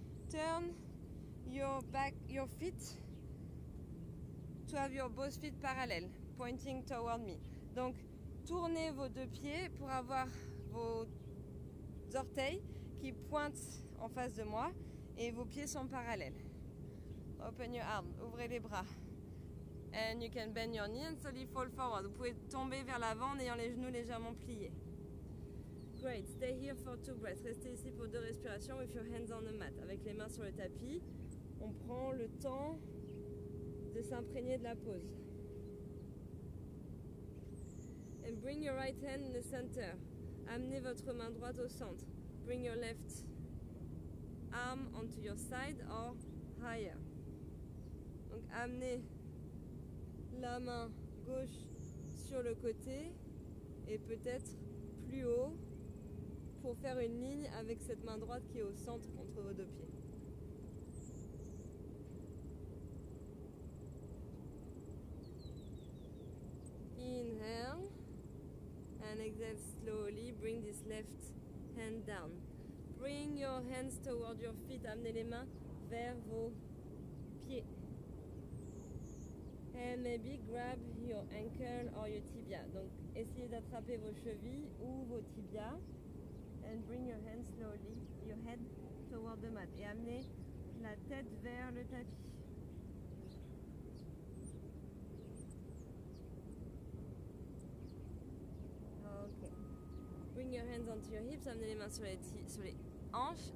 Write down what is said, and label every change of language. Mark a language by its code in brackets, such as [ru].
[en] Turn your feet to have your both feet parallel, pointing toward me. [fr] Donc, tournez vos deux pieds pour avoir vos orteils qui pointent en face de moi et vos pieds sont parallèles. [en] Open your arms, [fr] ouvrez les bras. [en] And you can bend your knee and slowly fall forward. [fr] Vous pouvez tomber vers l'avant en ayant les genoux légèrement pliés. Great. [en] Stay here for two breaths. [fr] Restez ici pour deux respirations [en] with your hands on the mat. [fr] Avec les mains sur le tapis, on prend le temps de s'imprégner de la pose. [en] And bring your right hand in the center. [fr] Amenez votre main droite au centre. [en] Bring your left arm onto your side or higher. [fr] Donc amenez la main gauche sur le côté et peut-être plus haut pour faire une ligne avec cette main droite qui est au centre entre vos deux pieds. [en] Inhale and exhale slowly. Bring this left hand down. Bring your hands toward your feet. [fr] Amenez les mains vers vos pieds. [en] And maybe grab your ankle or your tibia. [fr] Donc, essayez d'attraper vos chevilles ou vos tibias. [en] And bring your hand slowly, your head toward the mat. [fr] Et amenez la tête vers le tapis. [en] Okay. Bring your hands onto your hips. [fr] Amenez les mains sur les hanches.